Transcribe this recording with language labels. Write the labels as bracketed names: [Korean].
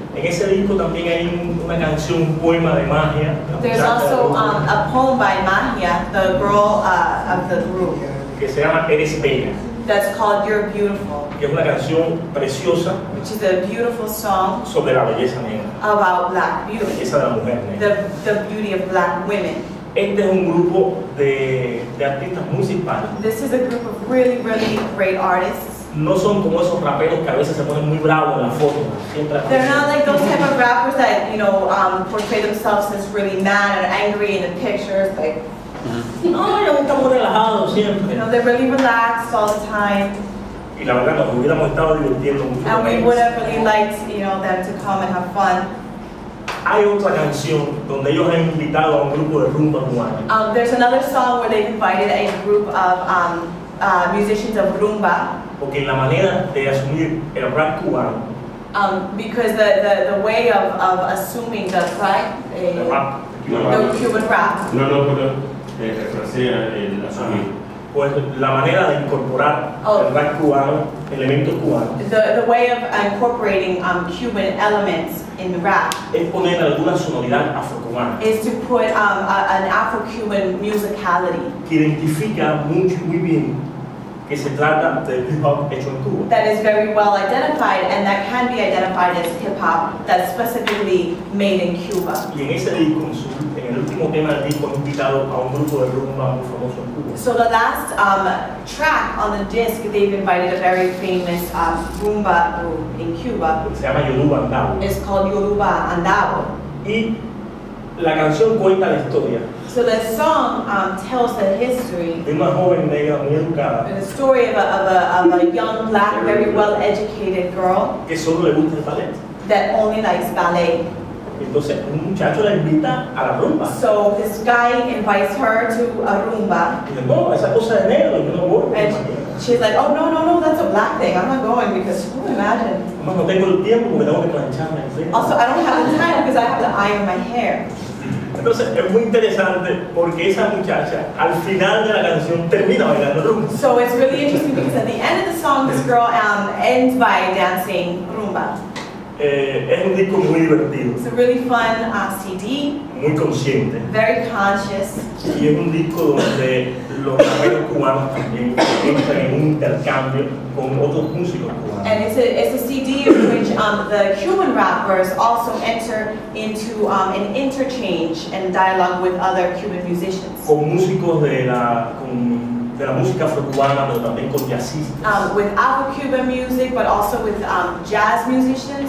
[Spanish] En ese disco también hay una canción, un poema de magia. [English] There's also a poem by Magia, the girl of the group. [Spanish] Que se llama Eres Bella. [English] That's called You're Beautiful. [Spanish] Que es una canción preciosa. [English] Which is a beautiful song. [Spanish] Sobre la belleza negra. [English] About black beauty. [Spanish] La belleza de la mujer negra. [English] The beauty of black women. [Spanish] Este es un grupo de artistas muy simpáticos. [English] This is a group of really, really great artists. [Spanish] No son como esos raperos que a veces se ponen muy bravos en la foto. [English] They're not like those type of rappers that, you know, portray themselves as really mad and angry in the pictures, like. [Spanish] No, yo estoy muy relajado siempre. [English] You know, they're really relaxed all the time. [Spanish] Y la verdad, nos hubiéramos estado divirtiendo mucho. [English] And we would have really liked, you know, them to come and have fun. [Spanish] Hay otra canción donde ellos han invitado a un grupo de rumba cubana. [English] There's another song where they invited a group of musicians of rumba. [Spanish] Porque la manera de asumir el rap cubano. [English] Because the way of assuming the rap. The Cuban rap. [Spanish] No. Pues la manera de incorporar el rap cubano, elementos cubanos. [English] The way of incorporating Cuban elements in the rap. [Spanish] Es poner alguna sonoridad afrocubana. [English] Is to put an Afro-Cuban musicality. [Spanish] Que identifica muy bien que se trata de hip hop hecho en Cuba. [English] That is very well identified and that can be identified as hip hop that's specifically made in Cuba. [Spanish] Y en ese disco, el último tema del disco, invitado a un grupo de rumba muy famoso en Cuba. [English] So the last track on the disc, they've invited a very famous rumba group in Cuba. [Spanish] Se llama Yoruba Andao. [English] It's called Yoruba Andao. [Spanish] Y la canción cuenta la historia. [English] So the song tells the history. [Spanish] De una joven negra muy educada. [English] The story of a young black, very well educated girl. [Spanish] Que solo le gusta el ballet. [English] That only likes ballet. [Spanish] Entonces, un muchacho la invita a la rumba. [English] So this guy invites her to a rumba. [Spanish] No, esa cosa de negro, yo no voy. [English] And she's like, oh no, that's a black thing. I'm not going because who imagine? [Spanish] No tengo el tiempo, me tengo que plancharme. [English] Also, I don't have the time because I have to iron my hair. [Spanish] Entonces, es muy interesante porque esa muchacha, al final de la canción, termina bailando rumba. [English] So it's really interesting because at the end of the song, this girl ends by dancing rumba. [Spanish] Es un disco muy divertido. [English] It's a really fun CD. [Spanish] Muy consciente. [English] Very conscious. [Spanish] Y es un disco donde los raperos cubanos también entran en un intercambio con otros músicos cubanos. [English] And it's a CD in which the Cuban rappers also enter into an interchange and dialogue with other Cuban musicians. [Spanish] Con músicos de la música afrocubana, pero también con jazzistas. [English] With Afro-Cuban music, but also with jazz musicians.